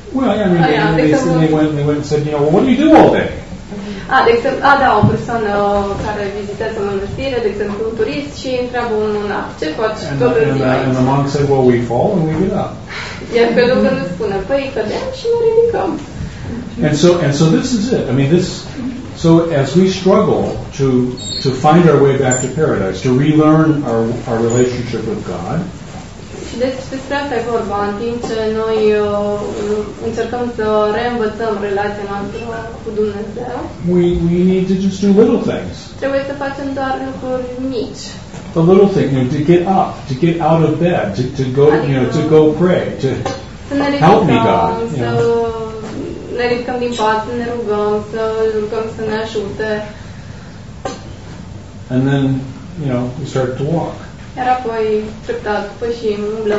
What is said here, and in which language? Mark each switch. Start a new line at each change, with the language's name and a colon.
English: Well, yeah, I mean, they went and said, you know, well, what do you do all day?
Romanian: O persoană care vizitează mănăstire, de exemplu, un turist, și întreabă un monah, ce faci toată ziua?
English: And the monk said, well, we fall and we get up.
Romanian: Iar pe lucru nu spune, păi, cădem și ne ridicăm.
English: And so this is it. I mean, so as we struggle to find our way back to paradise, to relearn our relationship with God.
Romanian: Și despre asta e vorba, în timp ce noi încercăm să reînvățăm relația noastră cu Dumnezeu.
English: We need to just do little things.
Romanian: Trebuie să facem doar lucruri mici.
English: The little thing, you know, to get up, to get out of bed, to go,
Romanian: adică,
English: you know, to go pray, to help me, God. You know.
Romanian: Ne ridicăm din pat, ne rugăm, să rugăm să ne ajute.
English: And then, you know, we start to walk.
Romanian: Iar apoi treptat pășim, umblăm.